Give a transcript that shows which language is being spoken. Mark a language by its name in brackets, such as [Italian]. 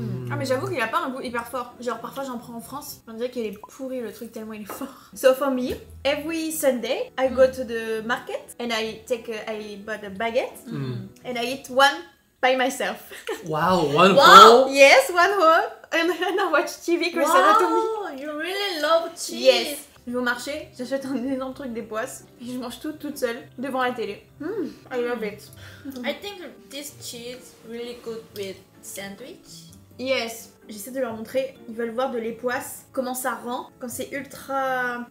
[French] Ah mais j'avoue qu'il a pas un goût hyper fort. Genre parfois j'en prends en France, on dirait qu'il est pourri le truc tellement il est fort. [English] So for me, every Sunday I go to the market and I bought a baguette and I eat one by myself. Wow, one whole? Yes, one whole. And I watch TV. Wow, you really love cheese. Yes. [French] Je vais au marché, j'achète un énorme truc des poisses et je mange tout toute seule devant la télé. [English] I love it. I think this cheese really good with sandwich. Yes. [French] J'essaie de leur montrer, ils veulent voir de l'époisse, comment ça rend, quand c'est ultra...